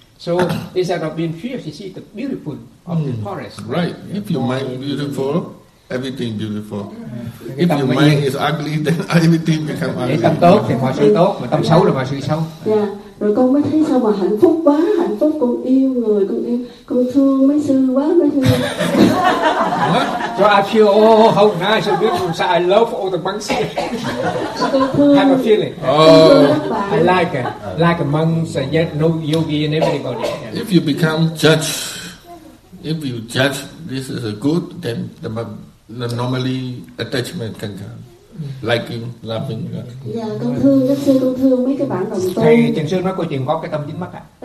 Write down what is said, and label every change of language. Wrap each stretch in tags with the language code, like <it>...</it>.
<en>So instead of being fierce, you see the beautiful of the forest. Right. Yeah. If your mind is beautiful, everything beautiful. Yeah. If your mind is ugly, then everything becomes ugly.</en> <vi>Tâm tốt thì mọi sự tốt, mà tâm xấu là mọi sự xấu.</vi> <en>Yeah.</en> <vi>Rồi con mới thấy sao mà hạnh phúc quá, hạnh phúc. Con yêu người, con yêu, con thương mấy sư quá, mấy sư.</vi> <en>So I feel, oh, how nice and beautiful. So I love all the monks. Have a feeling. Oh. I like it. Like monks and yet no yogi and everybody. If you become judge, if you judge this is a good, then the normally attachment can come. Liking, loving.</en> <vi>Dạ, con thương, rất xin con thương mấy cái bạn đồng tu. Thầy Trần Sương nói câu chuyện có cái tâm dính mắt ạ.</vi>